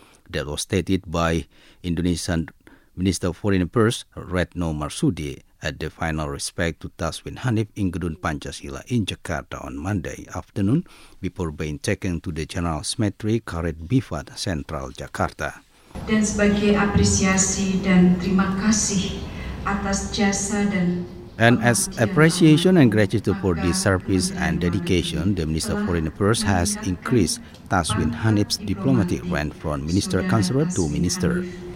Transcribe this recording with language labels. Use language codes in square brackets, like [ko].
[en] That was stated by Indonesian Minister of Foreign Affairs Retno Marsudi at the final respect to Taswin Hanif in Gedung Pancasila in Jakarta on Monday afternoon before being taken to the General Cemetery Karet Bifat Central Jakarta. [id] Dan sebagai apresiasi dan terima kasih atas jasa dan... [en] And as appreciation and gratitude for this service and dedication, the Minister of Foreign Affairs has increased Taswin Hanif's diplomatic rank from Minister Counselor to Minister.